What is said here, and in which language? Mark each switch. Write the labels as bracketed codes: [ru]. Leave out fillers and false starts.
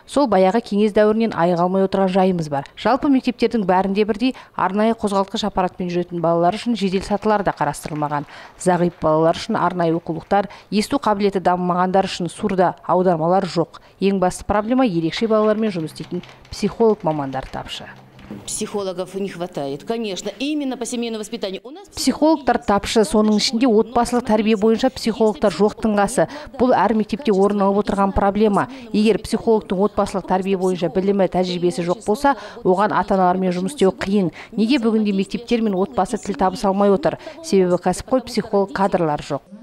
[kk] Сол баяғы кеңес дәуірінен айыға алмай отырған жайымыз бар. Жалпы мектептердің бәрінде бірдей арнайы қозғалтқыш аппаратпен жүретін балалар үшін жедел сатылар да қарастырылмаған. Зағип балалар үшін арнайы оқулықтар, есту қабілеті дамымағандар үшін сурда аудармалар жоқ. Ең басты проблема ерекше балалармен жұмыс істейтін психолог мамандар тапшы. [ru] Психологов не хватает, конечно, именно по семейному воспитанию. [kk] Психологтар тапшы, соның ішінде отбасылық тәрбие бойынша психологтар жоқтың қасы. Бұл әр мектепте орын алып отырған проблема. Егер психологтың отбасылық тәрбие бойынша білімі, тәжірибесі жоқ болса, оған ата-аналармен жұмыс істеу қиын. Неге бүгінде мектептер мен отбасы тіл табыса алмай отыр? Себебі кәсіпқой психолог кадрлар жоқ.